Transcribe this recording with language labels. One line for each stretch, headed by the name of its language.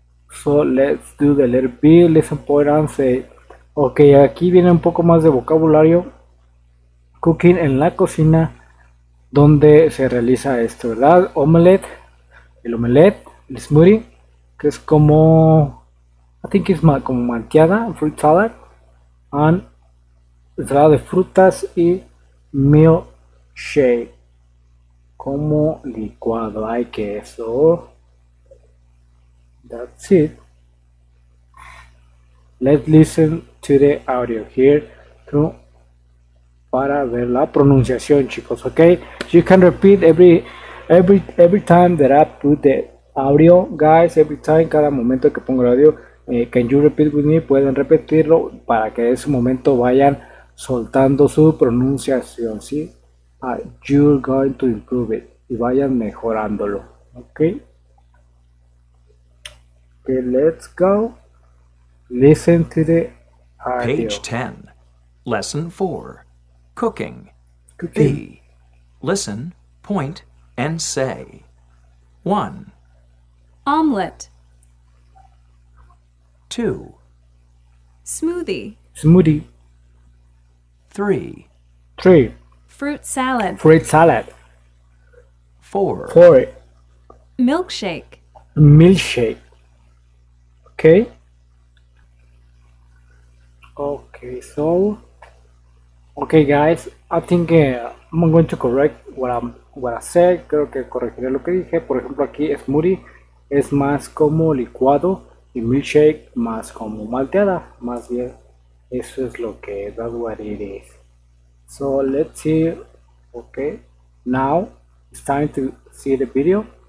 English: So let's do the letter B, listen, point, and say.
Spanish: Ok, aquí viene un poco más de vocabulario. Cooking en la cocina, donde se realiza esto, ¿verdad? El smoothie, que es como,
English: I think it's
Spanish: como malteada, fruit salad, and ensalada de frutas y milkshake, como licuado, hay queso.
English: That's it. Let's listen to the audio here through
Spanish: para ver la pronunciación, chicos.
English: Okay, you can repeat every time that I put the audio, guys. Every time,
Spanish: cada momento que pongo el audio,
English: can you repeat with me?
Spanish: Pueden repetirlo para que en ese momento vayan soltando su pronunciación, sí.
English: You're going to improve it
Spanish: y vayan mejorándolo,
English: okay. Okay, let's go. Listen to the audio. Page 10, Lesson 4, Cooking. B. Listen, point, and say. 1. Omelette. 2. Smoothie. 3. Fruit salad. 4. Milkshake. Okay, so, okay, guys, I think I'm going to correct what I said.
Spanish: Creo que corregiré lo que dije. Por ejemplo, aquí smoothie es más como licuado y milkshake más como malteada. Más bien, eso es lo que,
English: that's what it is. So, let's see, okay, now it's time to see the video.